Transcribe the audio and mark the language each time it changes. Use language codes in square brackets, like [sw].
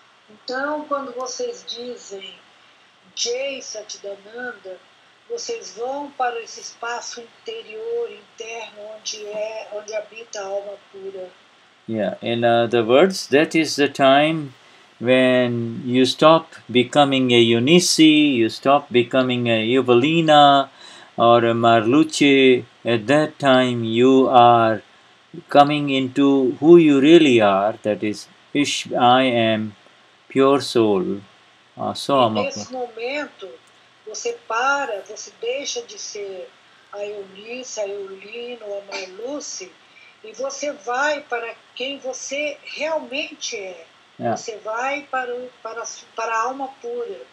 [pt] Então, quando vocês dizem Jai Satchidananda, vocês vão para esse espaço interior, interno, onde habita a alma pura. [en] Yeah, in other words, that is the time when you stop becoming a Eunice, you stop becoming a Evelina or a Marluce, at that time you are coming into who you really are, that is, Ish, I am pure soul. So [pt] nesse momento, você para, você deixa de ser a Eunice, a Eulina ou a Marluce e você vai para quem você realmente é. Yeah. Você vai para a alma pura.